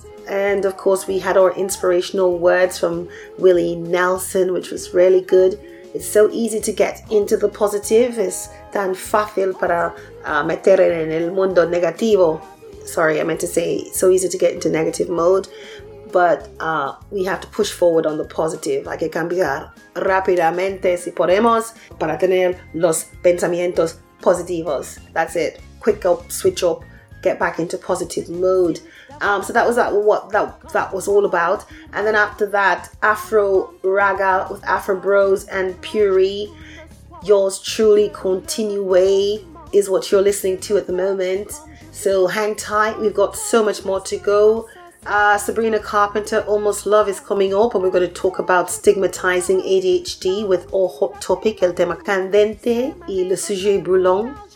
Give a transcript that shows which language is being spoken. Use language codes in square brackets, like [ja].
[en] And of course we had our inspirational words from Willie Nelson, which was really good. It's so easy to get into the positive. [es] Es tan fácil para meter en el mundo negativo. [en] Sorry, I meant to say so easy to get into negative mode. But we have to push forward on the positive. [es] Hay que cambiar rápidamente si podemos para tener los pensamientos positivos. [en] That's it. Quick up, switch up. Get back into positive mood. So that was what that was all about. And then after that, Afro Raga with Afro Bros and Puri. Yours truly, Continue, is what you're listening to at the moment. So hang tight, we've got so much more to go. Sabrina Carpenter, Almost Love is coming up, and we're going to talk about stigmatizing ADHD with our hot topic, [es] el tema candente [en] y [fr] le sujet brûlant.